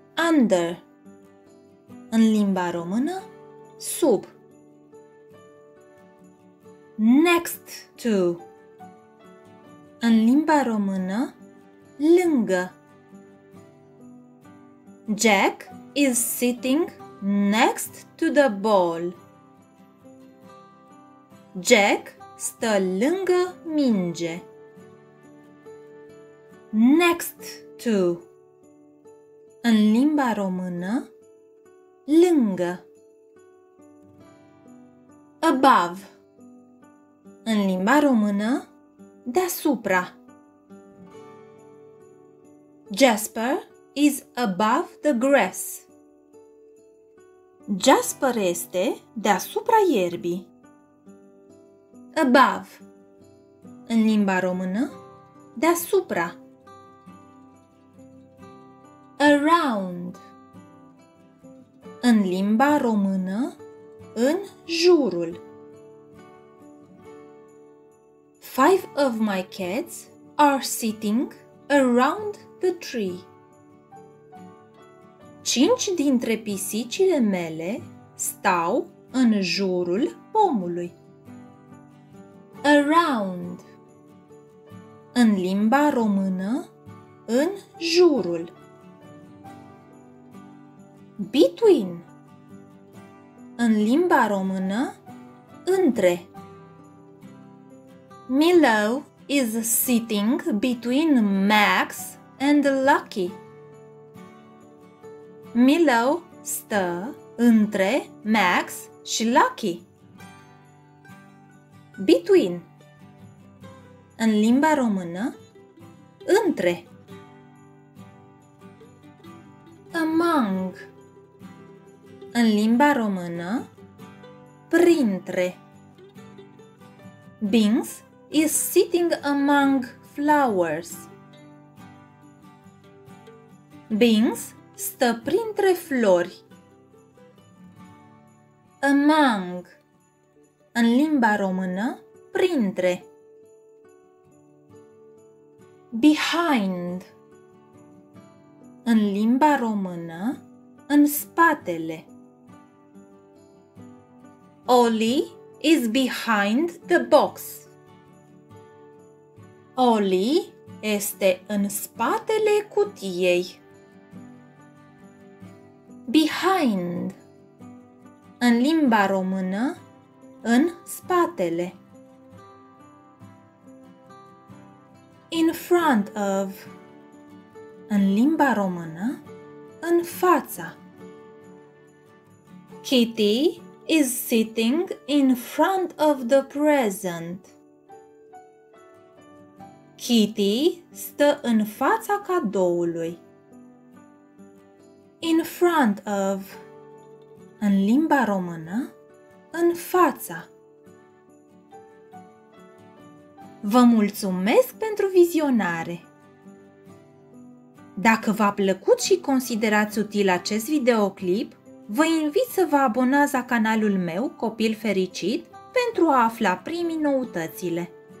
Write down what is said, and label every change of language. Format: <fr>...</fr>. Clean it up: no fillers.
<ro>Under, în limba română, sub. Next to, în limba română, lângă.</ro> <en>Jack is sitting next to the ball.</en> <ro>Jack stă lângă minge. Next to, în limba română, lângă. Above, în limba română, deasupra.</ro> <en>Jasper is above the grass.</en> <ro>Jasper este deasupra ierbii. Above, în limba română, deasupra. Around, în limba română, în jurul.</ro> <en>Five of my cats are sitting around the tree.</en> <ro>Cinci dintre pisicile mele stau în jurul pomului. Around, în limba română, în jurul. Between, în limba română, între.</ro> <en>Milo is sitting between Max and Lucky.</en> <ro>Milo stă între Max și Lucky. Between, în limba română, între. Among, în limba română, printre.</ro> <en>Binks is sitting among flowers.</en> <ro>Binks stă printre flori. Among, în limba română, printre. Behind, în limba română, în spatele.</ro> <en>Ollie is behind the box.</en> <ro>Ollie este în spatele cutiei. Behind, în limba română, în spatele.</ro> <en>In front of,</en> <ro>în limba română, în fața.</ro> <en>Kitty is sitting in front of the present.</en> <ro>Kitty stă în fața cadoului.</ro> <en>In front of,</en> <ro>în limba română, în fața. Vă mulțumesc pentru vizionare! Dacă v-a plăcut și considerați util acest videoclip, vă invit să vă abonați la canalul meu, Copil Fericit, pentru a afla primii noutățile.</ro>